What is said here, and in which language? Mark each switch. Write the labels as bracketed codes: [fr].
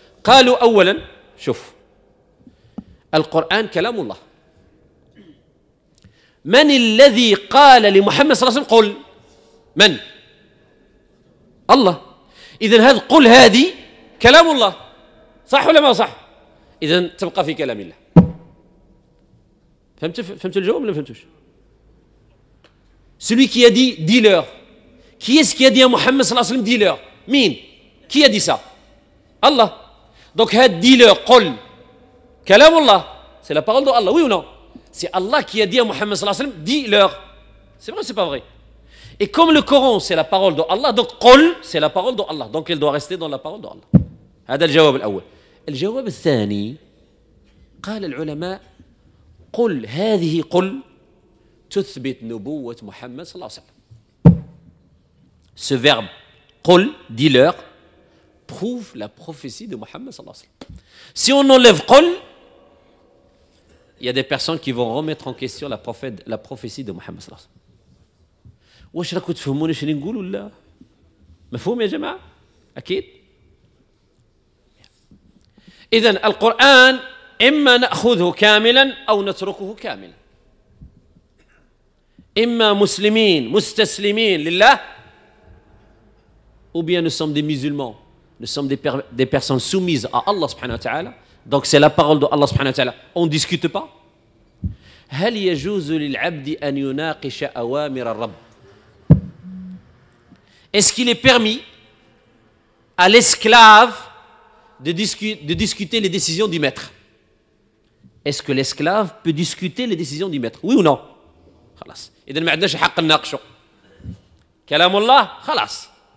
[ar] قالوا اولا شوف القران كلام الله، من الذي قال لمحمد صلى الله عليه وسلم قل؟ من؟ الله. اذا هذا قل هذه كلام الله صح ولا ما صح؟ اذا تبقى في كلام الله. فهمت الجواب ولا ما فهمتوش؟ [fr] Celui qui a dit « dis-leur ». Qui est-ce qui a dit à Mohammed sallallahu alayhi wa sallam « dis-leur » Mine. Qui a dit ça? Allah. Donc, dis-leur, قل. [ar] كلام الله. [fr] C'est la parole de Allah, oui ou non? C'est Allah qui a dit à Mohammed sallallahu alayhi wa sallam, dis-leur. C'est vrai ou c'est pas vrai? Et comme le Coran, c'est la parole de Allah, donc قل, c'est la parole de Allah. Donc, elle doit rester dans la parole de Allah. [ar] هذا الجواب الأول. الجواب الثاني, قال العلماء, قل هذه قل تثبت نبوة محمد صلى الله عليه وسلم. [fr] Ce verbe قل, dis-leur, prouve la prophétie de Mohammed صلى الله عليه وسلم. Si on enlève قل, il y a des personnes qui vont remettre en question la prophétie de Mohammed صلى الله عليه وسلم. [ar] واش راكم تفهمون واش نقول ولا مفهوم يا جماعة؟ أكيد. إذن القرآن إما نأخذه كاملا أو نتركه كاملا. إما مسلمين مستسلمين لله [fr] ou bien nous sommes des musulmans, nous sommes des personnes soumises à Allah subhanahu wa ta'ala, donc c'est la parole de Allah subhanahu wa ta'ala, on ne discute pas. [ar] هل يجوز للعبد أن يناقش أوامر الرب? [fr] Est-ce qu'il est permis à l'esclave de discuter les décisions du maître? Est-ce que l'esclave peut discuter les décisions du maître? Oui ou non? [ar] خلاص. إذا ما عندناش حق نناقشوا. كلام الله خلاص.